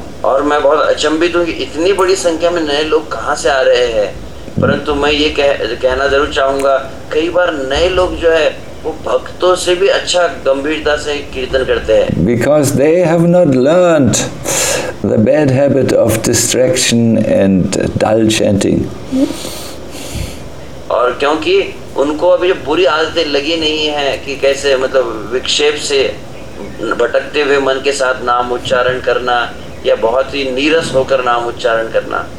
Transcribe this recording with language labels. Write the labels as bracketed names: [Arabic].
[Hindi] और मैं बहुत अचंभित हूँ कि इतनी बड़ी संख्या में नए लोग कहाँ से आ रहे हैं। परंतु मैं ये कहना जरूर चाहूँगा, कई बार नए लोग जो है वो भक्तों से भी अच्छा गंभीरता से कीर्तन करते हैं। [English] Because they have not learned the bad habit of distraction and dull chanting. [Hindi] और क्योंकि उनको अभी जो बुरी आदतें लगी नहीं है कि कैसे मतलब विक्षेप से भटकते हुए मन के साथ नाम उच्चारण करना या बहुत ही नीरस होकर नाम उच्चारण करना।